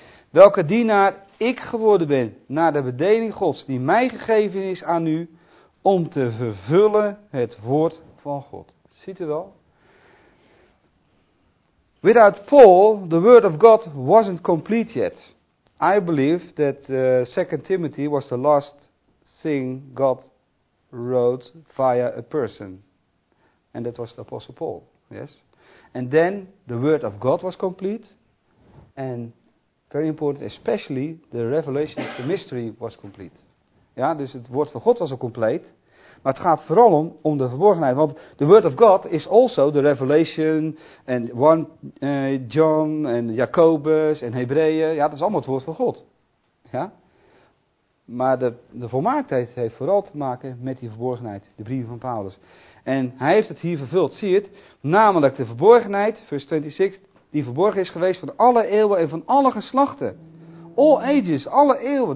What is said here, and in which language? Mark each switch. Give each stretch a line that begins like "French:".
Dutch: Welke dienaar ik geworden ben naar de bedeling Gods die mij gegeven is aan u om te vervullen het woord van God. Ziet u wel?
English: Without Paul, the word of God wasn't complete yet. I believe that 2 Timothy was the last thing God wrote via a person. And that was the Apostle Paul. Yes? And then the word of God was complete. And very important, especially the revelation of the mystery was complete.
Dutch: Ja, dus het woord van God was al compleet. Maar het gaat vooral om de verborgenheid.
English: Want the word of God is also the revelation.
Dutch: And John en Jacobus en Hebreeën. Ja, dat is allemaal het woord van God. Ja? Maar de volmaaktheid heeft vooral te maken met die verborgenheid. De brieven van Paulus. En hij heeft het hier vervuld. Zie het? Namelijk de verborgenheid, vers 26. Die verborgen is geweest van alle eeuwen en van alle geslachten.
English: All ages,
Dutch: alle eeuwen.